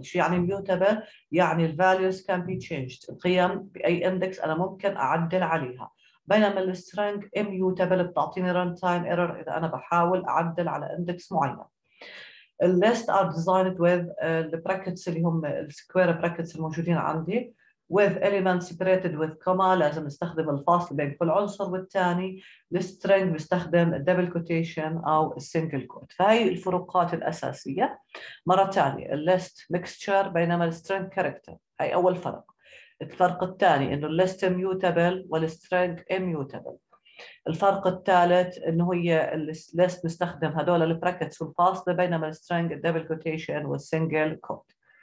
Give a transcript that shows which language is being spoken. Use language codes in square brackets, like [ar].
[ar] شو يعني immutable؟ يعني ال [en] values can be changed، [ar] القيم بأي index أنا ممكن أعدل عليها، بينما ال string immutable بتعطيني runtime error إذا أنا بحاول أعدل على index معين. [en] ال list are designed with the brackets [ar] اللي هم ال [en] square brackets [ar] الموجودين عندي [en] with elements separated with comma، [ar] لازم نستخدم الفاصل بين كل عنصر والثاني. الstring بيستخدم double quotation أو single quote. فهي الفروقات الأساسية. مرة تانية list mixture بينما string character، هي أول فرق. الفرق الثاني إنه list immutable والstring immutable. الفرق الثالث إنه هي list بيستخدم هذول البراكتس والفاصلة بينما string double quotation والsingle quote.